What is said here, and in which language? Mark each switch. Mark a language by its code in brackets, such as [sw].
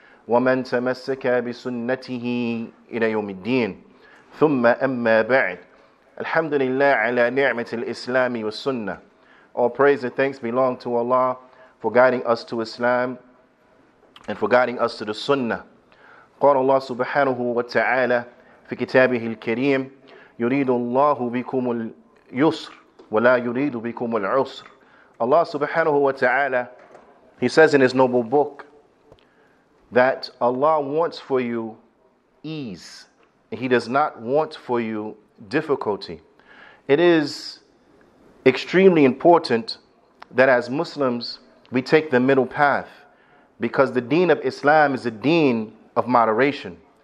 [ar] وَمَنْ تَمَسَّكَ بِسُنَّتِهِ إِلَى يَوْمِ الدِّينِ ثُمَّ أَمَّا بَعْدِ الحمد لله على نعمة الإسلام والسنة. [en] All praise and thanks belong to Allah for guiding us to Islam and for guiding us to the Sunnah. [ar] قال الله سبحانه وتعالى في كتابه الكريم يريد الله بكم اليسر ولا يريد بكم العسر. [en] Allah سبحانه وتعالى, He says in His noble book, that Allah wants for you ease. He does not want for you difficulty. It is extremely important that as Muslims, we take the middle path, because the deen of Islam is a deen of moderation.